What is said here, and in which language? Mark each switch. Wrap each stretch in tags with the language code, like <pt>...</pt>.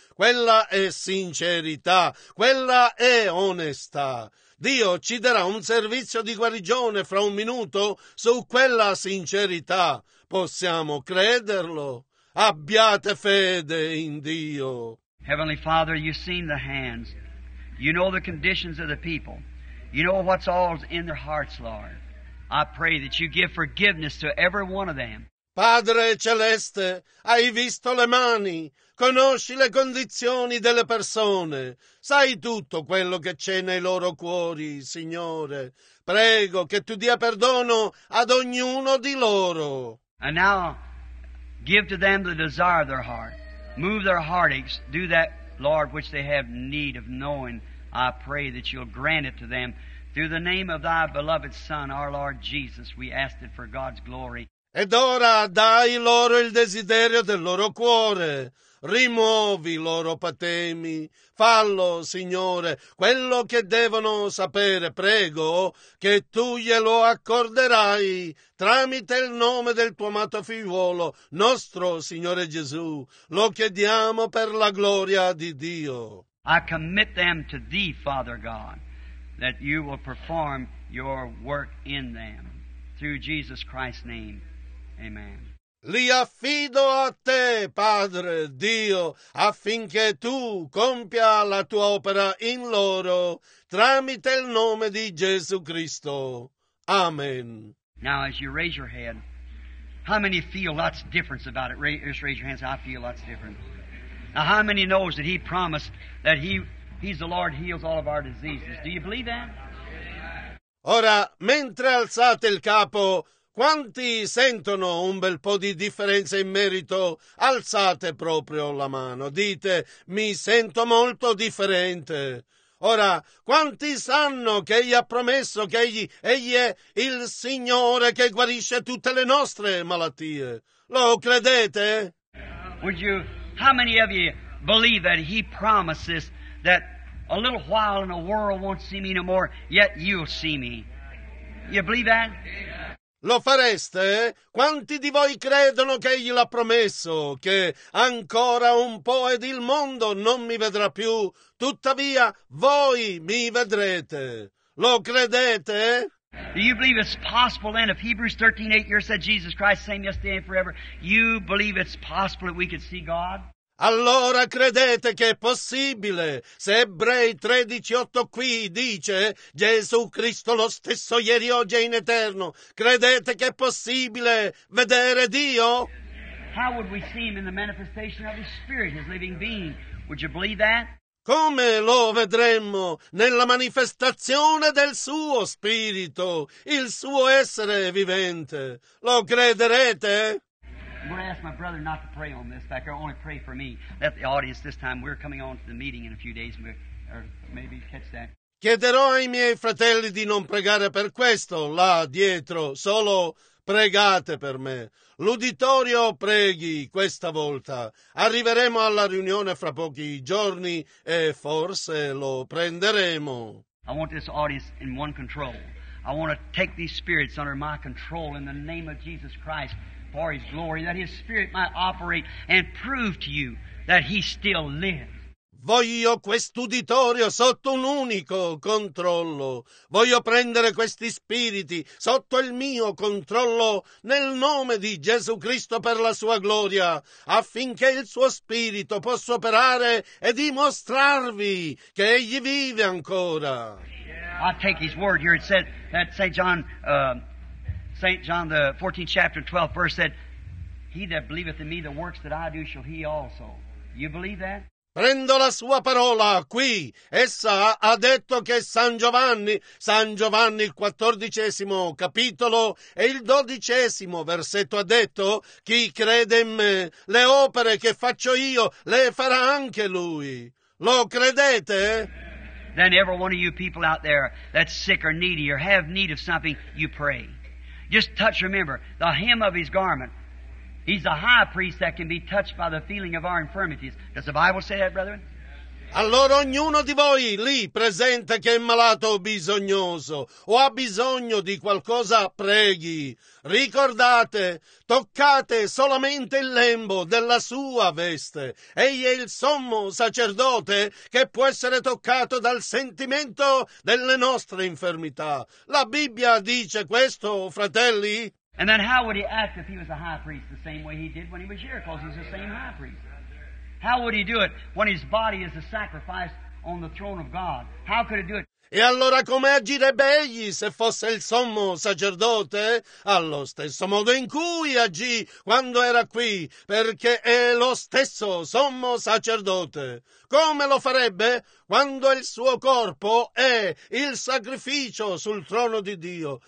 <it>Quella è sincerità, quella è onestà. Dio ci darà un servizio di guarigione fra un minuto su quella sincerità. Possiamo crederlo? Abbiate fede in Dio.</it> <en>Heavenly Father, you've seen the hands. You know the conditions of the people. You know what's all in their hearts, Lord. I pray that you give forgiveness to every one of them.</en> <it>Padre Celeste, hai visto le mani, conosci le condizioni delle persone, sai tutto quello che c'è nei loro cuori, Signore. Prego che tu dia perdono ad ognuno di loro.</it> <en>And now, give to them the desire of their heart. Move their heartaches. Do that, Lord, which they have need of knowing. I pray that you'll grant it to them. Through the name of thy beloved Son, our Lord Jesus, we ask it for God's glory.</en> <it>Ed ora dai loro il desiderio del loro cuore. Rimuovi i loro patemi. Fallo, Signore, quello che devono sapere, prego, che tu glielo accorderai tramite il nome del tuo amato figliuolo, nostro Signore Gesù. Lo chiediamo per la gloria di Dio.</it> <en>I commit them to thee, Father God, that you will perform your work in them. Through Jesus Christ's name, amen.</en> <it>Li affido a te, Padre Dio, affinché tu compia la tua opera in loro, tramite il nome di Gesù Cristo. Amen.</it> <en>Now as you raise your head, how many feel lots of difference about it? Just raise your hands. I feel lots of difference. Now how many knows that He promised that He's the Lord, heals all of our diseases? Do you believe that?</en> <it>Ora, mentre alzate il capo, quanti sentono un bel po' di differenza in merito? Alzate proprio la mano. Dite, mi sento molto differente. Ora, quanti sanno che Egli ha promesso che Egli è il Signore che guarisce tutte le nostre malattie? Lo credete?</it> <en>How many of you believe that He promises that a little while and the world won't see me no more, yet you'll see me? You believe that?</en> <it>Lo fareste? Quanti di voi credono che Egli l'ha promesso, che ancora un po' ed il mondo non mi vedrà più, tuttavia voi mi vedrete? Lo credete?</it> <en>Do you believe it's possible then, if Hebrews 13:8 here said Jesus Christ same yesterday and forever, you believe it's possible that we could see God?</en> <it>Allora credete che è possibile, se Ebrei 13:8 qui dice Gesù Cristo lo stesso ieri, oggi e in eterno, credete che è possibile vedere Dio?</it> <en>How would we see Him in the manifestation of His Spirit, His living being? Would you believe that?</en> <it>Come lo vedremmo nella manifestazione del Suo Spirito, il Suo essere vivente? Lo crederete?</it> <en>I'm going to ask my brother not to pray on this back there. Only pray for me. Let the audience this time. We're coming on to the meeting in a few days. Or maybe catch that.</en> <it>Chiederò ai miei fratelli di non pregare per questo là dietro. Solo pregate per me. L'uditorio preghi questa volta. Arriveremo alla riunione fra pochi giorni e forse lo prenderemo.</it> <en>I want this audience in one control. I want to take these spirits under my control in the name of Jesus Christ. For His glory, that His Spirit might operate and prove to you that He still lives.</en> <it>Voglio quest'uditorio sotto un unico controllo. Voglio prendere questi spiriti sotto il mio controllo nel nome di Gesù Cristo per la Sua gloria, affinché il Suo Spirito possa operare e dimostrarvi che Egli vive ancora.</it> <en>I take His word here. It said that St. John, the 14th chapter, 12th verse said, He that believeth in me, the works that I do shall he also. You believe that?</en> <it>Prendo la sua parola qui. Essa ha detto che San Giovanni, il 14° capitolo e il 12° versetto, ha detto, chi crede in me, le opere che faccio io, le farà anche lui. Lo credete?</it> <en>Then every one of you people out there that's sick or needy or have need of something, you pray. Just touch, remember, the hem of His garment. He's the high priest that can be touched by the feeling of our infirmities. Does the Bible say that, brethren?</en> <it>Allora ognuno di voi lì presente che è malato o bisognoso o ha bisogno di qualcosa, preghi. Ricordate, toccate solamente il lembo della sua veste. Egli è il sommo sacerdote che può essere toccato dal sentimento delle nostre infermità. La Bibbia dice questo, fratelli.</it> <en>And then how would he act if he was a high priest the same way he did when he was here? Because he's the same high priest. How would he do it when his body is a sacrifice on the throne of God? How could he do it?</en> <it>E allora come agirebbe egli se fosse il sommo sacerdote? Allo stesso modo in cui agì quando era qui, perché è lo stesso sommo sacerdote. Come lo farebbe quando il suo corpo è il sacrificio sul trono di Dio?</it>